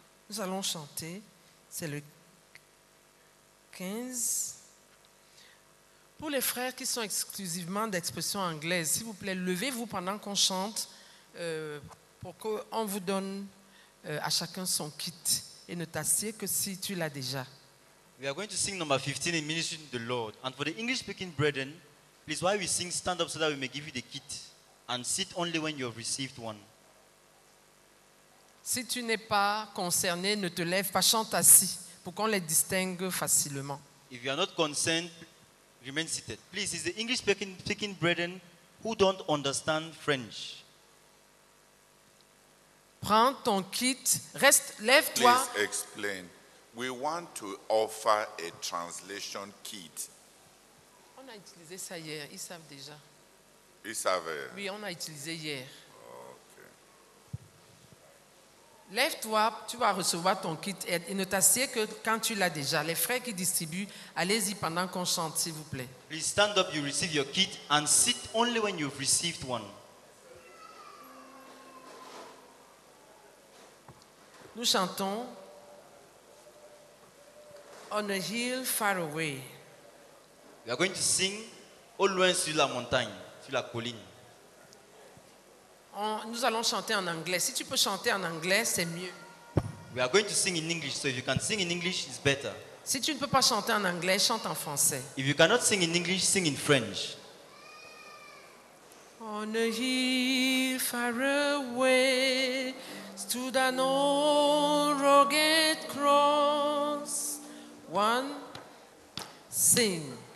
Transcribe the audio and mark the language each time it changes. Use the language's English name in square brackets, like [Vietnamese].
[French] Nous allons chanter. C'est le 15. Pour les frères qui sont exclusivement d'expression anglaise, s'il vous plaît, levez-vous pendant qu'on chante pour qu'on vous donne à chacun son kit et ne t'assieds que si tu l'as déjà. [English] We are going to sing number 15 in ministry to the Lord. And for the English-speaking brethren, please, while we sing, stand up so that we may give you the kit and sit only when you have received one. [French] Si tu n'es pas concerné, ne te lève pas, chante assis pour qu'on les distingue facilement. [English] If you are not concerned, remain seated. Please, it's the English-speaking brethren who don't understand French. [French] Prends ton kit, reste, lève-toi. [English] Please explain. We want to offer a translation kit. [French] On a utilisé ça hier, ils savent déjà. Ils savaient. Oui, on a utilisé hier. Lève-toi, tu vas recevoir ton kit et ne t'assieds que quand tu l'as déjà. Les frères qui distribuent, allez-y pendant qu'on chante, s'il vous plaît. [English] Please stand up, you receive your kit and sit only when you've received one. [French] Nous chantons. [English] on a hill far away. We are going to sing [French] au loin sur la montagne, sur la colline. Nous allons chanter en anglais. Si tu peux chanter en anglais, c'est mieux. [English] We are going to sing in English, so if you can sing in English, it's better. [French] Si tu ne peux pas chanter en anglais, chante en français. [English] If you cannot sing in English, sing in French. On a hill far away stood an old rugged cross. One, sing.